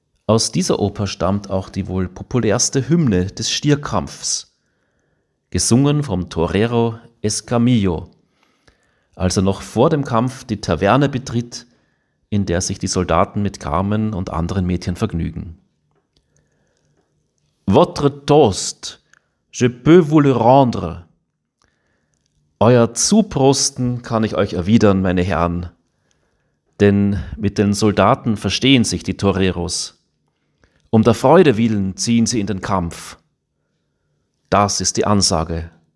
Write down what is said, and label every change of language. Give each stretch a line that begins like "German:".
German: Aus dieser Oper stammt auch die wohl populärste Hymne des Stierkampfs, gesungen vom Torero Escamillo, als er noch vor dem Kampf die Taverne betritt, in der sich die Soldaten mit Carmen und anderen Mädchen vergnügen.
French: Votre toast, je peux vous le rendre.
German: Euer Zuprosten kann ich euch erwidern, meine Herren. Denn mit den Soldaten verstehen sich die Toreros. Um der Freude willen ziehen sie in den Kampf. Das ist die Ansage.